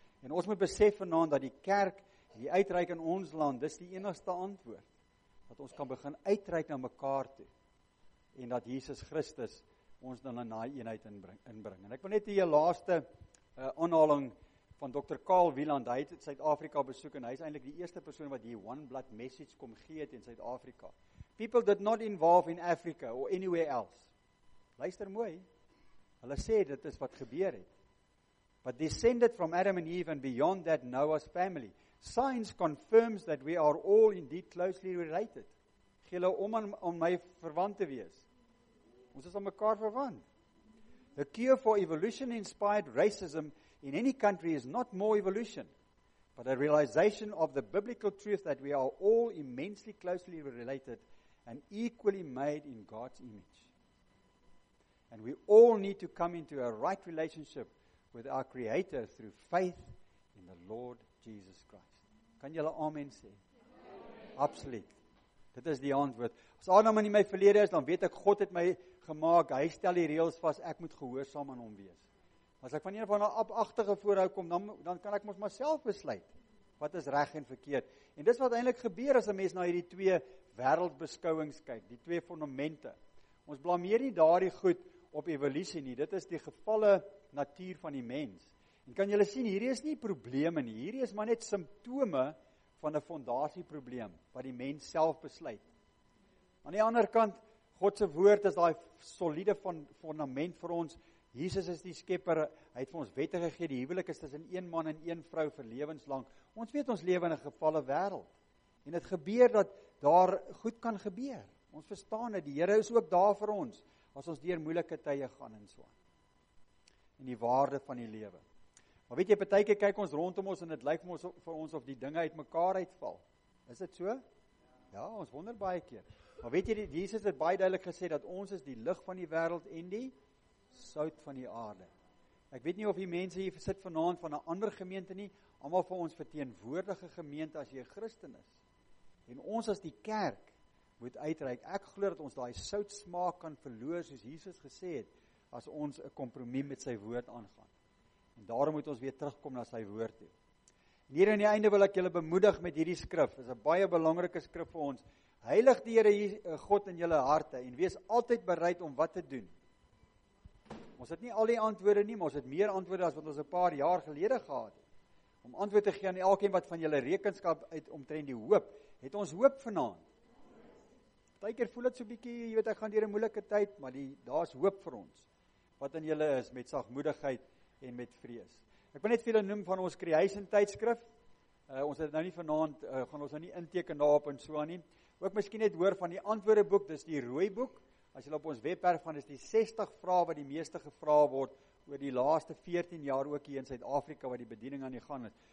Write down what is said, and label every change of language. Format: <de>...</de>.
<af>En ons moet besef vanaand dat die kerk, die uitreik in ons land, dis die enigste antwoord, dat ons kan begin uitreik na mekaar toe, en dat Jesus Christus ons dan in die eenheid inbring. En ek wil net die laaste aanhaling van Dr. Karl Wieland, hy het Suid-Afrika besoek, en hy is eintlik die eerste persoon wat die One Blood Message kom gee het in Suid-Afrika.</af> <en>People did not involve in Africa or anywhere else.</en> <af>Luister mooi, hulle sê dit is wat gebeur het.</af> <en>But descended from Adam and Eve and beyond that Noah's family. Science confirms that we are all indeed closely related.</en> <af>Gee hulle om aan my verwant te wees. Ons is aan mekaar verwant.</af> <en>The cure for evolution-inspired racism in any country is not more evolution, but a realization of the biblical truth that we are all immensely closely related and equally made in God's image. And we all need to come into a right relationship with our Creator through faith in the Lord Jesus Christ.</en> <af>Kan julle amen sê? Absoluut. Dit is die antwoord. As Adam in my verlede is, dan weet ek, God het my gemaakt, hy stel die reels vast, ek moet gehoorsaam aan hom wees. As ek van een van die apachtige voorhou kom, dan kan ek ons maar self besluit, wat is reg en verkeerd. En dis wat eintlik gebeur as 'n mens na hierdie twee wêreldbeskouings kyk, die twee fondamente. Ons blameer nie daardie goed op evolusie nie, dit is die gevalle natuur van die mens. En kan julle sien, hierdie is nie probleme nie, hierdie is maar net simptome van 'n fondasieprobleem, wat die mens self besluit. Aan die ander kant, Godse woord is daai soliede van fondament vir ons. Jesus is die skepper, hy het vir ons wette gegee, die huwelik is tussen een man en een vrou vir lewenslang. Ons weet ons lewe in 'n gevalle wêreld. En het gebeur dat daar goed kan gebeur. Ons verstaan dat die Here is ook daar vir ons, as ons deur moeilike tye gaan en so. En die waarde van die lewe. Maar weet jy, partykeer kyk ons rondom ons en het lyk vir ons of die dinge uit mekaar uitval. Is dit so? Ja, ons wonder baie keer. Maar weet jy, Jesus het baie duidelik gesê dat ons is die lig van die wêreld en die sout van die aarde. Ek weet nie of die mense hier sit vanaand van 'n ander gemeente nie, almal van ons verteenwoordige gemeente as jy 'n Christen is. En ons as die kerk moet uitreik. Ek glo dat ons daai sout smaak kan verloor soos Jesus gesê het, as ons 'n kompromie met sy woord aangaan. En daarom moet ons weer terugkom na sy woord toe. En hier aan die einde wil ek julle bemoedig met hierdie skrif. Dit is 'n baie belangrike skrif vir ons. Heilig die Here God in julle harte en wees altyd bereid om wat te doen. Ons het nie al die antwoorde nie, maar ons het meer antwoorde as wat ons 'n paar jaar gelede gehad het. Om antwoord te gee aan elkeen wat van julle rekenskap uit omtrent die hoop, het ons hoop vanaand. Partykeer voel dit so bietjie, jy weet ek gaan deur 'n moeilike tyd, maar daar's hoop vir ons wat in julle is met sagmoedigheid en met vrees. Ek wil net vir julle noem van ons Creation tydskrif. Ons het nou nie vanaand gaan ons nou nie inteken daarop en so aan nie. Ook miskien net hoor van die antwoorde boek, dis die rooi boek. As jy op ons webwerf gaan, is die 60 vrae wat die meeste gevra word oor die laaste 14 jaar ook hier in Suid-Afrika wat die bediening aan die gang is.</af>